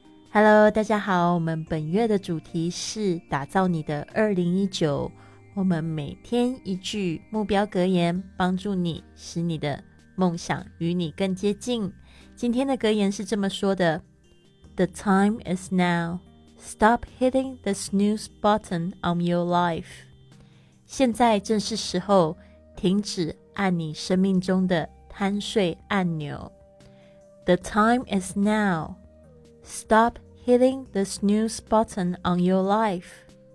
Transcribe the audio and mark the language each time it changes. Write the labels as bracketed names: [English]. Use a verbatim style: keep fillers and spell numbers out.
[Chinese] Hello， 大家好，我们本月的主题是打造你的二零一九，我们每天一句目标格言，帮助你使你的梦想与你更接近。今天的格言是这么说的 ： [English] The time is now. Stop hitting the snooze button on your life. [Chinese] 现在正是时候，停止按你生命中的贪睡按钮。 [English] The time is now. Stop hitting the snooze button on your life.